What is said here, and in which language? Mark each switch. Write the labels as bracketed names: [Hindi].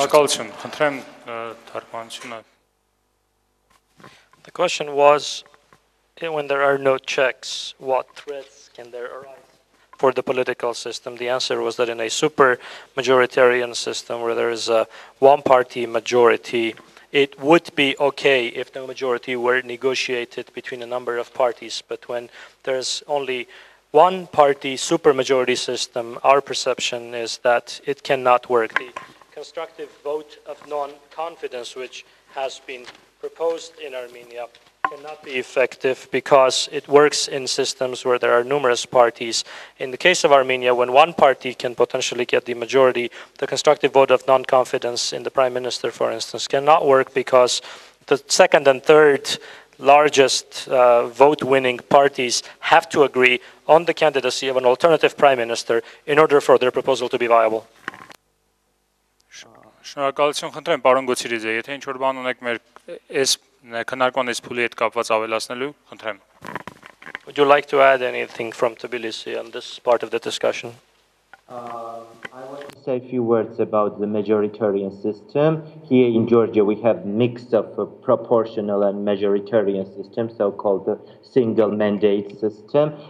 [Armenian] միջոցով։ Շնորհակալություն, խնդրեմ թարգմանությունը։ [English] The question was, when there are no checks, what threats can there arise for the political system? The answer was that in a super majoritarian system where there is a one-party majority, it would be okay if the majority were negotiated between a number of parties, but when there's only one party supermajority system, our perception is that it cannot work. The constructive vote of non-confidence, which has been proposed in Armenia, cannot be effective because it works in systems where there are numerous parties. In the case of Armenia, when one party can potentially get the majority, the constructive vote of non-confidence in the prime minister, for instance, cannot work because the second and third largest vote-winning parties have to agree on the candidacy of an alternative prime minister in order for their proposal to be viable. [Armenian] Շնորհակալություն խնդրեմ, պարոն Գոցիրիձե, եթե ինչ-որ բան ունեք մեր այս քննարկման այս փուլի հետ կապված ավելացնելու, խնդրեմ. [English] Would you like to add anything from Tbilisi on this part of the discussion? I want to say a few words about the majoritarian system. Here in Georgia, we have mix of proportional and majoritarian system, so-called single mandate system.